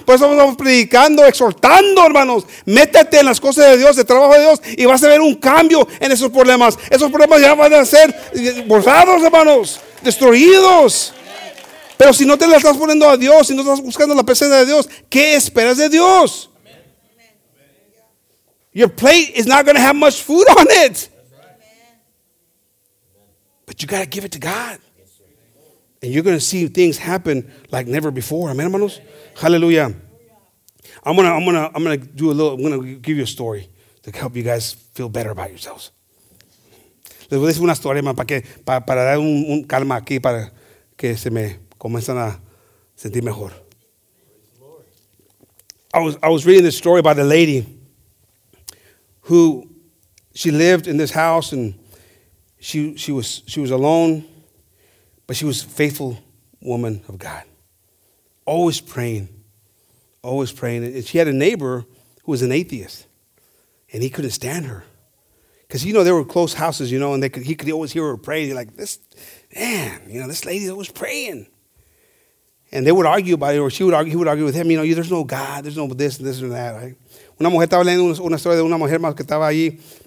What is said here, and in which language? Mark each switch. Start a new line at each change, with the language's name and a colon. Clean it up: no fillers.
Spanish: Por eso estamos predicando, exhortando, hermanos. Métete en las cosas de Dios, el trabajo de Dios, y vas a ver un cambio en esos problemas. Esos problemas ya van a ser borrados, hermanos. Destruidos. Pero si no te la estás poniendo a Dios, si no estás buscando la presencia de Dios, ¿qué esperas de Dios?
English: Your plate is not going to have much food on it. But you got to give it to God. And you're going to see things happen like never before. Amen, hermanos. Hallelujah. I'm going to give you a story to help you guys feel better about yourselves.
Spanish: Les voy a decir una historia, hermano, para dar un calma aquí, para que se me comiencen a sentir mejor.
English: I was reading this story about a lady who she lived in this house and she was alone. But she was a faithful woman of God, always praying, always praying. And she had a neighbor who was an atheist, and he couldn't stand her. Because, you know, they were close houses, you know, and he could always hear her praying. You're like, this, man, you know, this lady's always praying. And they would argue about it, or she would argue, he would argue with him, you know, there's no God, there's no this and this and that, right?
Spanish: Una mujer estaba leyendo una historia de una mujer más que estaba allí.